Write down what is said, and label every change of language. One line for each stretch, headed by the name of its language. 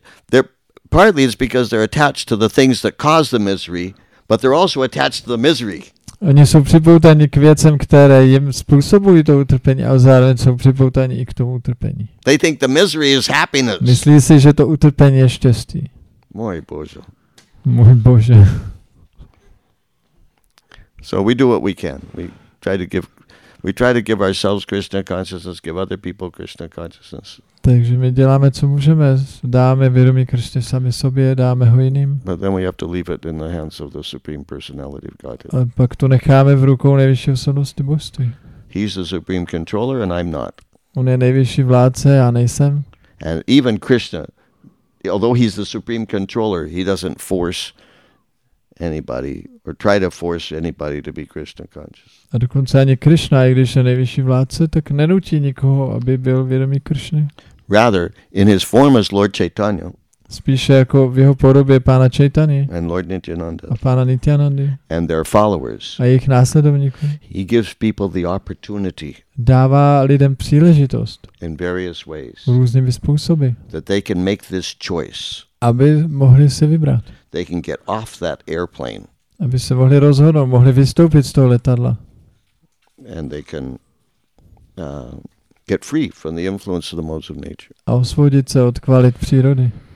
English: They're partly it's because they're attached to the things that cause the misery, but they're also attached to the misery.
Czech: Oni jsou připoutaní k věcem, které jim způsobují to utrpení, a zároveň jsou připoutaní i k tomu utrpení.
English: They think the misery is happiness.
Czech: Myslí si, že to utrpení je štěstí. Můj Bože. Můj Bože.
English: So we do what we can. We try to give ourselves Krishna consciousness, give other people Krishna consciousness.
Czech: Takže my děláme, co můžeme. Dáme vědomí Krishna sami sobě, dáme ho jiným.
English: But then we have to leave it in the hands of the Supreme Personality of Godhead.
Czech: A pak to necháme v rukou nejvyšší osobnosti Božství.
English: He's the supreme controller and I'm not.
Czech: On je nejvyšší vládce, já nejsem.
English: And even Krishna, although he's the supreme controller, he doesn't force anybody or try to force anybody to be Krishna conscious.
Czech: A dokonce ani Krishna, i když je nejvyšší vládce, tak nenutí nikoho, aby byl vědomý Krishny.
English: Rather, in his form as Lord Chaitanya.
Czech: Spíše jako v jeho podobě pána Chaitany.
English: And Lord Nityananda.
Czech: A pána Nityanandy.
English: And their followers.
Czech: A jejich následovníků.
English: He gives people the opportunity.
Czech: Dává lidem příležitost.
English: In various ways.
Czech: Různými způsoby.
English: That they can make this choice.
Czech: Aby mohli se vybrat.
English: They can get off that airplane.
Czech: Aby se mohli rozhodnout, mohli vystoupit z toho letadla.
English: And they can get free from the influence of the modes of nature.
Czech: A osvobodit se od kvalit přírody.